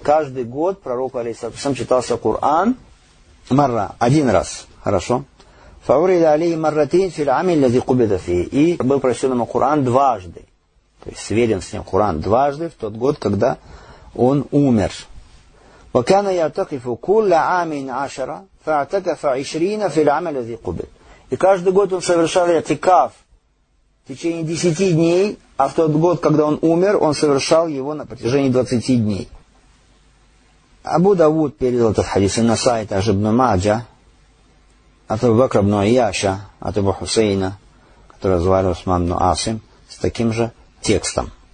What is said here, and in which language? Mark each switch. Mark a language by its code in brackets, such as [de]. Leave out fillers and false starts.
[ru] Каждый год пророк алейхиссалату вассалям читался Куран марра, один раз. Хорошо. [ar] Фаурида алейхи марратейн фил амин лязи кубида фи. [ru] И был прочитан ему Куран дважды. То есть сведен с ним Куран дважды в тот год, когда он умер. [ar] وكان يعتكف كل عام عشرة فاعتكف عشرين في العام الذي قبل. [ru] И каждый год он совершал иатикаф в течение 10 дней, а в тот год, когда он умер, он совершал его на протяжении 20 дней. Абу Давуд передал этот хадис на сайт Аж ибн Маджа, от Абу Бакра ибн Айяша, от Абу Хусейна, который звали Усман ибн Асим, с таким же текстом.